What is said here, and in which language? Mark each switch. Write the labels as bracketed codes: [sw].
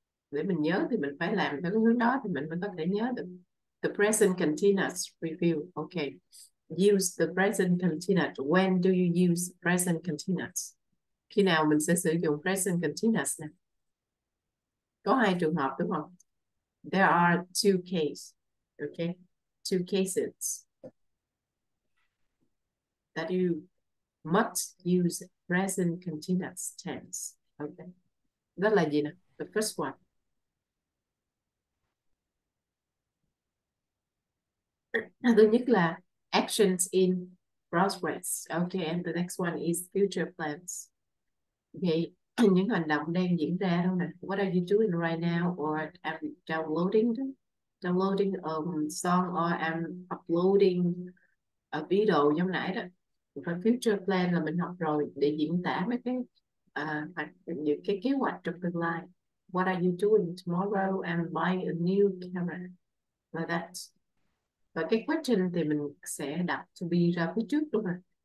[vi] Để mình nhớ thì mình phải làm theo cái hướng đó thì mình mới có thể nhớ được. [en] The present continuous review. Okay. Use the present continuous. When do you use present continuous? [vi] Khi nào mình sẽ sử dụng present continuous nè? Có hai trường hợp đúng không? [en] There are two cases. Okay. Two cases that you must use present continuous tense. Okay. [vi] Đó là gì nè? [en] The first one. [vi] Thứ nhất là [en] actions in progress. Okay, and the next one is future plans. [vi] Okay, những hành động đang diễn ra đâu nè. [en] What are you doing right now? Or I'm downloading a song or I'm uploading a video [vi] giống nãy đó. Và future plan là mình học rồi để diễn tả mấy cái những cái kế hoạch trong tương lai. [en] What are you doing tomorrow? I'm buying a new camera. Like that. [vi] Và cái question thì mình sẽ đặt to be ra phía trước đúng không?